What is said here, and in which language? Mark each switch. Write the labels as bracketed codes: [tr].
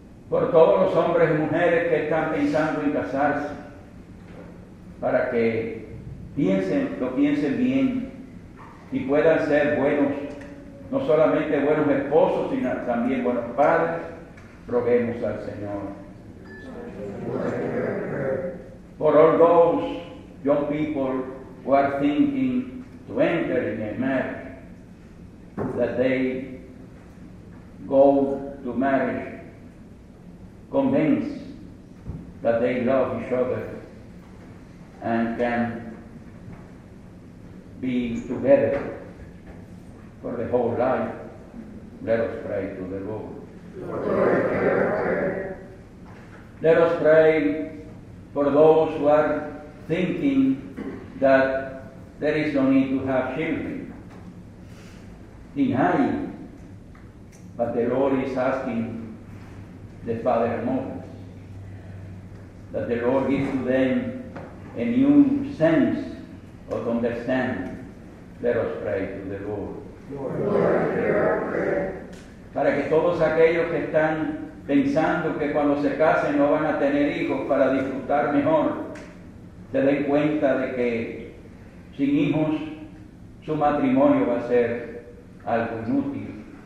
[es] Por todos los hombres y mujeres que están pensando en casarse, para que piensen, lo piensen bien y puedan ser buenos, no solamente buenos esposos, sino también buenos padres, roguemos al Señor. [en] For all those young people who are thinking to enter in a marriage, that they go to marriage convinced that they love each other and can be together for the whole life, let us pray to the Lord. Let us pray for those who are thinking that there is no need to have children. Deny, but the Lord is asking the father and mothers, that the Lord gives to them a new sense of understanding. Let us pray to the Lord. Lord, hear our prayer. [es] Para que todos aquellos que están pensando que cuando se casen no van a tener hijos para disfrutar mejor, se den cuenta de que sin hijos su matrimonio va a ser algo inútil.